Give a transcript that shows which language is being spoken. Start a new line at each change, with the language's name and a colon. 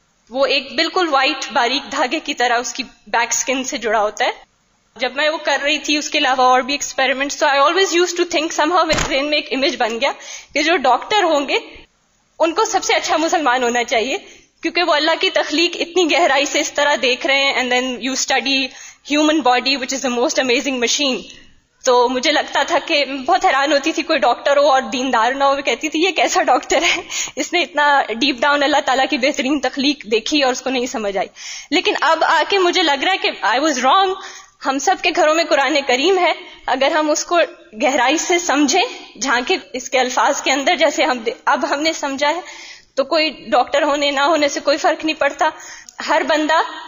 Urdu: وہ ایک بالکل وائٹ باریک دھاگے کی طرح اس کی بیک اسکن سے جڑا ہوتا ہے. جب میں وہ کر رہی تھی اس کے علاوہ اور بھی ایکسپیرمنٹ، تو
English: I always used to think, somehow
Urdu: میرے ذہن میں ایک امیج بن گیا کہ جو ڈاکٹر ہوں گے ان کو سب سے اچھا مسلمان ہونا چاہیے، کیونکہ وہ اللہ کی تخلیق اتنی گہرائی سے اس طرح دیکھ رہے ہیں.
English: And then you study human body which is the most amazing machine.
Urdu: تو مجھے لگتا تھا کہ بہت حیران ہوتی تھی کوئی ڈاکٹر ہو اور دیندار نہ ہو، میں کہتی تھی یہ کیسا ڈاکٹر ہے، اس نے اتنا ڈیپ ڈاؤن اللہ تعالیٰ کی بہترین تخلیق دیکھی اور اس کو نہیں سمجھ آئی. لیکن اب آ کے مجھے لگ رہا ہے کہ
English: I was wrong.
Urdu: ہم سب کے گھروں میں قرآن کریم ہے، اگر ہم اس کو گہرائی سے سمجھیں، جھانکے اس کے الفاظ کے اندر جیسے اب ہم نے سمجھا ہے، تو کوئی ڈاکٹر ہونے نہ ہونے سے کوئی فرق نہیں پڑتا. ہر بندہ